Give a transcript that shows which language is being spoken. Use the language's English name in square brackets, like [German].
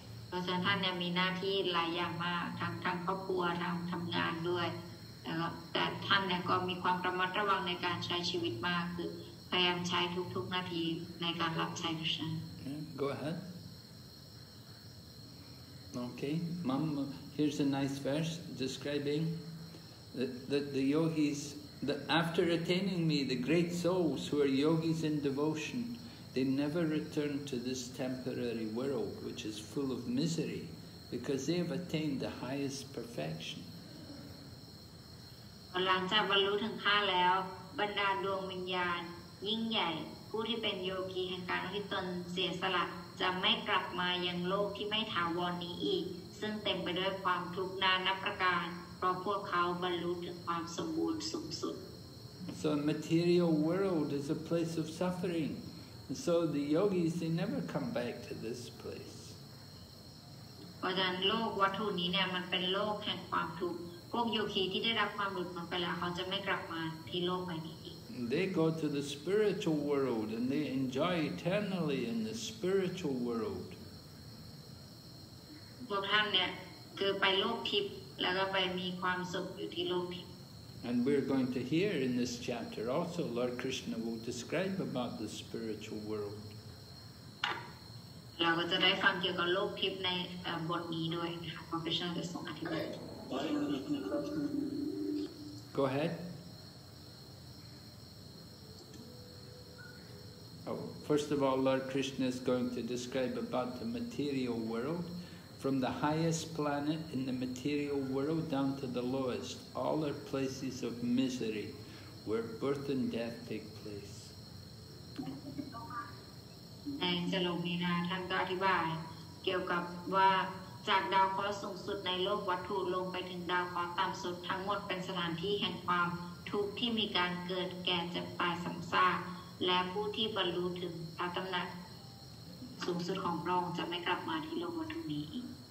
[Thai] ท่านเนี่ยมีหน้าที่หลายอย่างมากทั้งครอบครัวทั้งทำงานด้วยแล้วก็แต่ท่านเนี่ยก็มีความระมัดระวังในการใช้ชีวิตมากคือพยายามใช้ทุกๆนาทีในการรับใช้พระเจ้า [English] Go ahead. Okay, Mom, here's a nice verse describing that the yogis, that after attaining me, the great souls who are yogis in devotion, they never return to this temporary world which is full of misery, because they have attained the highest perfection. [Thai] หลังจากบรรลุถึง5แล้วบรรดาดวงวิญญาณยิ่งใหญ่ผู้ที่เป็นโยคีแห่งการที่ตนเสียสละจะไม่กลับมายังโลกที่ไม่ถาวรนี้อีกซึ่งเต็มไปด้วยความทุกข์นานับประการเพราะพวกเขาบรรลุถึงความสมบูรณ์สูงสุด [English] So the material world is a place of suffering. And so the yogis, they never come back to this place. [Thai] เพราะฉะนั้นโลกวัตถุนี้เนี่ยมันเป็นโลกแห่งความทุกข์พวกโยคีที่ได้รับความหลุดพ้นไปแล้วเขาจะไม่กลับมาที่โลกใบนี้อีก [English] They go to the spiritual world and they enjoy eternally in the spiritual world. [Thai] พวกท่านเนี่ยคือไปโลกทิพย์แล้วก็ไปมีความสุขอยู่ที่โลกทิพย์ [English] And we're going to hear in this chapter also Lord Krishna will describe about the spiritual world. [Thai] เราก็จะได้ฟังเกี่ยวกับโลกทิพย์ในบทนี้ด้วยพระพุทธเจ้าจะทรงอธิบาย [English] Go ahead. Oh, first of all, Lord Krishna is going to describe about the material world. From the highest planet in the material world down to the lowest, all are places of misery where birth and death take place. [Thai] And Salomina,จากดาวเคราะห์สูงสุดในโลกวัตถุลงไปถึงดาวเคราะห์ต่ำสุดทั้งหมดเป็นสถานที่แห่งความทุกข์ที่มีการเกิดแก่เจ็บตายสังสารและผู้ที่บรรลุถึงพระตำหนักสูงสุดของพระองค์จะไม่กลับมาที่โลกวัตถุนี้อีก